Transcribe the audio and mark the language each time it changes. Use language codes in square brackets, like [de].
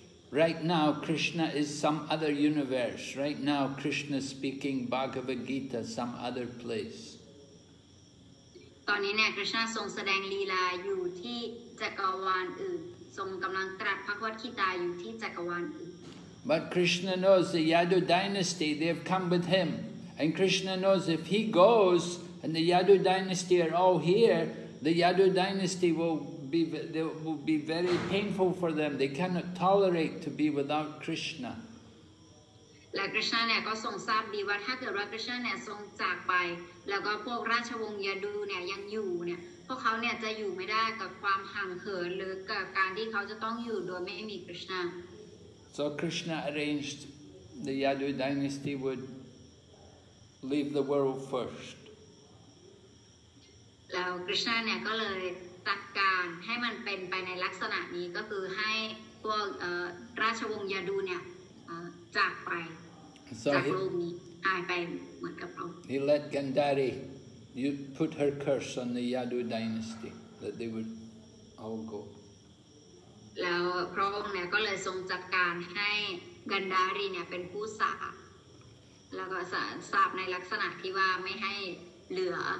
[en] Right now, Krishna is some other universe. Right now, Krishna is speaking Bhagavad Gita, some other place. [th] ตอนนี้เนี่ย Krishna ทรงแสดงลีลาอยู่ที่จักรวาลอื่นทรงกำลังตรัสพระวัจจิตาอยู่ที่จักรวาลอื่น [en] But Krishna knows the Yadu dynasty, they have come with him. And Krishna knows if he goes and the Yadu dynasty are all here, the Yadu dynasty will be very painful for them. They cannot tolerate to be without Krishna. [th] และ Krishna เนี่ยก็ทรงทราบดีว่าถ้าเกิดว่า Krishna เนี่ยทรงจากไปแล้วก็พวกราชวงศ์ยาดูเนี่ยยังอยู่เนี่ยพวกเขาเนี่ยจะอยู่ไม่ได้กับความห่างเหินหรือกับการที่เขาจะต้องอยู่โดยไม่มี Krishna. [en] So Krishna arranged the Yadu dynasty would leave the world first. [th] แล้ว Krishna เนี่ยก็เลยจัดการให้มันเป็นไปในลักษณะนี้ก็คือให้พวกราชวงศ์ยาดูเนี่ยจากไป [en] so [th] จากโลกนี้หายไปเหมือนกับเรา [en] He let Gandhari you put her curse on the Yadu dynasty that they would all go [th] แล้วพระองค์เนี่ยก็เลยทรงจัดการให้ Gandhari เนี่ยเป็นผู้สาปแล้วก็สาปในลักษณะที่ว่าไม่ให้เหลือ